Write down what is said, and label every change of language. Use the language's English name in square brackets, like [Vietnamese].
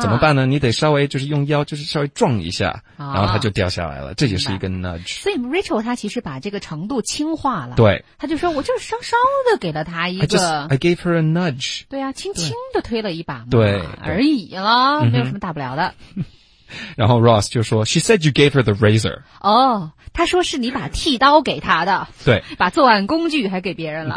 [Chinese] 怎么办呢你得稍微就是用腰就是稍微撞一下、啊、然后它就掉下来了这就是一个 nudge 所以 Rachel 他其实把这个程度轻化了对他就说我就稍稍的给了他一个 [English] I gave her a nudge [Chinese] 对啊轻轻的推了一把嘛对而已了没有什么大不了的。然后 Ross 就说 [English] She said you gave her the razor. [Chinese] 哦他说是你把剃刀给他的。对。把作案工具还给别人了。